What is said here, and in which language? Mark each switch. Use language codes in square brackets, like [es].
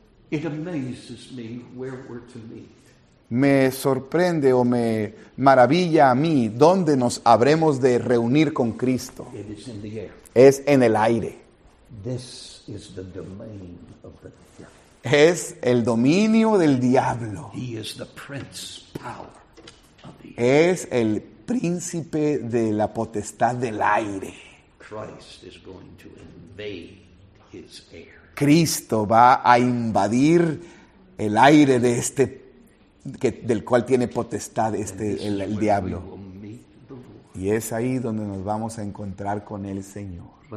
[en] It amazes me where we're to meet. [es] Me sorprende o me maravilla a mí dónde nos habremos de reunir con Cristo. Es en el aire. [en] This is the domain of the devil. [es] Es el dominio del diablo. [en] He is the prince power of the air. [es] Es el príncipe de la potestad del aire. [en] Christ is going to invade his air. [es] Cristo va a invadir el aire de este príncipe. Del cual tiene potestad el diablo. Y es ahí donde nos vamos a encontrar con el Señor.